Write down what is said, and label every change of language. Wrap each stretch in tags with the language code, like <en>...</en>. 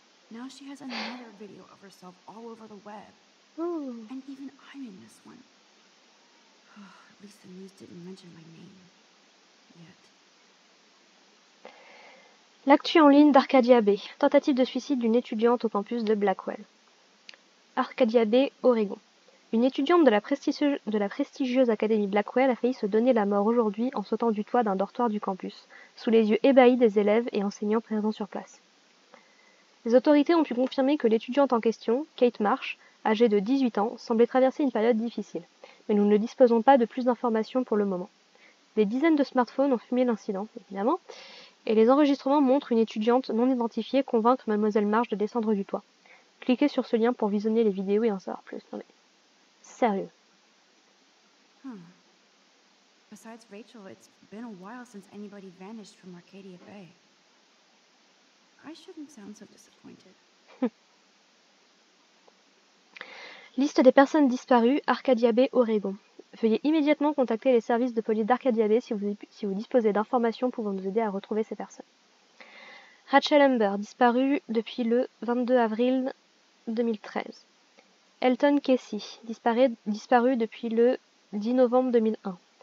<en>Now she has another video of herself all over the web. Ooh. And even I'm in this one. Oh, at least the news didn't mention my name yet.</en> <fr>L'actu en ligne d'Arcadia Bay, tentative de suicide d'une étudiante au campus de Blackwell. Arcadia Bay, Oregon. Une étudiante de la prestigieuse académie Blackwell a failli se donner la mort aujourd'hui en sautant du toit d'un dortoir du campus, sous les yeux ébahis des élèves et enseignants présents sur place. Les autorités ont pu confirmer que l'étudiante en question, Kate Marsh, âgée de 18 ans, semblait traverser une période difficile, mais nous ne disposons pas de plus d'informations pour le moment. Des dizaines de smartphones ont filmé l'incident, évidemment, et les enregistrements montrent une étudiante non identifiée convaincre Mademoiselle Marsh de descendre du toit. Cliquez sur ce lien pour visionner les vidéos et en savoir plus. Non mais... sérieux.</fr> <en>Besides Rachel, it's been a while since anybody vanished from Arcadia Bay. I shouldn't sound so disappointed.</en> <fr>Liste des personnes disparues, Arcadia Bay, Oregon. Veuillez immédiatement contacter les services de police d'Arcadia Bay si vous disposez d'informations pouvant nous aider à retrouver ces personnes. Rachel Amber, disparue depuis le 22 avril 2013. Elton Casey, disparu depuis le 10 novembre 2001.</fr>